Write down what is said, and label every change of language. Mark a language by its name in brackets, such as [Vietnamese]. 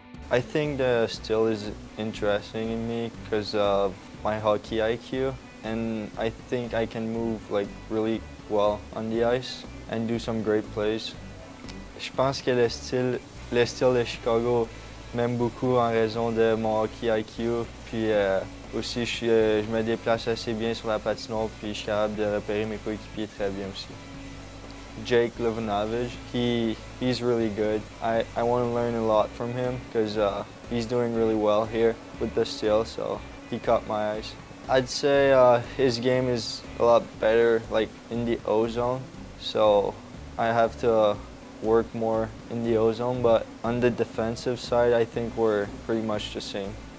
[English] I think the still is interesting in me because of my hockey IQ, and I think I can move like really well on the ice and do some great plays. [French] Je pense que le style de Chicago m'aime beaucoup en raison de mon hockey IQ. Puis aussi, je me déplace assez bien sur la patinoire, puis je suis capable de repérer mes coéquipiers très bien aussi. [English] Jake Livanovich, he's really good. I want to learn a lot from him because he's doing really well here with the steel, so he caught my eyes. I'd say his game is a lot better like in the O-zone, so I have to work more in the O-zone, but on the defensive side, I think we're pretty much the same.